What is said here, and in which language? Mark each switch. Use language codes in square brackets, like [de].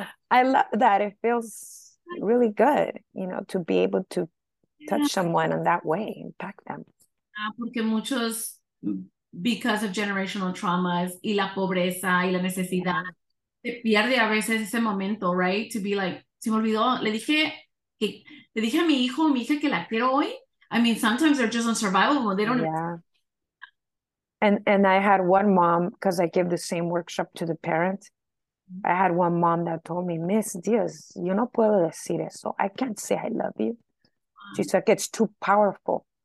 [en] I love that. It feels really good, you know, to be able to touch someone in that way, impact them. [es] Porque muchos, [en] because of generational traumas [es] y la pobreza y la necesidad, se pierde a veces ese momento, [en] right? To be like, [es] se me olvidó, le dije a mi hijo, mi hija que la quiero hoy. [en] I mean, sometimes they're just on survival mode. They don't. Yeah. And I had one mom, because I give the same workshop to the parents. I had one mom that told me, Miss Diaz, [es] yo no puedo decir eso. [en] I can't say I love you. She's like, it's too powerful.